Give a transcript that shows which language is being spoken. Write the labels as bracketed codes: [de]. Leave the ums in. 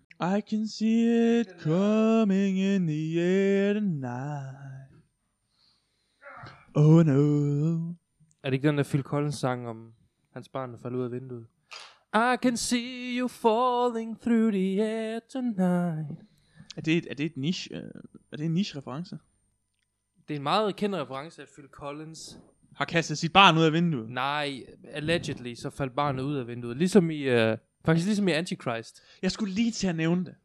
[en] I can see it coming in the air tonight. Oh no. [da] Er det ikke den der Phil Collins sang om hans barn, der falder ud af vinduet? [en] I can see you falling through the air tonight. [da] Er det, et, er det et niche? Er det en niche-reference? Det er en meget kendt reference af Phil Collins. Har kastet sit barn ud af vinduet? Nej, allegedly så faldt barnet ud af vinduet. Ligesom i... Uh, Faktisk ligesom i Antichrist. Jeg skulle lige til at nævne det.